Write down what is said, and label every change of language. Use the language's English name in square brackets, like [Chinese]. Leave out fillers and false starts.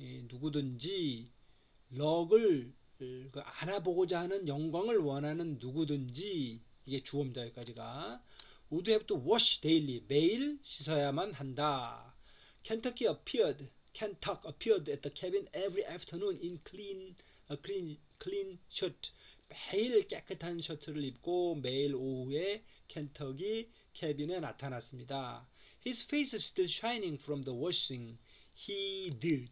[Korean] 누구든지 럭을 안아보고자 하는 영광을 원하는 누구든지 이게 주어입니다. 여기까지가 [English] would have to wash daily. [Korean] 매일 씻어야만 한다. [English] Kentuck appeared at the cabin every afternoon in clean shirt. [Korean] 매일 깨끗한 셔츠를 입고 매일 오후에 켄터기 캐빈에 나타났습니다. [English] His face is still shining from the washing he did.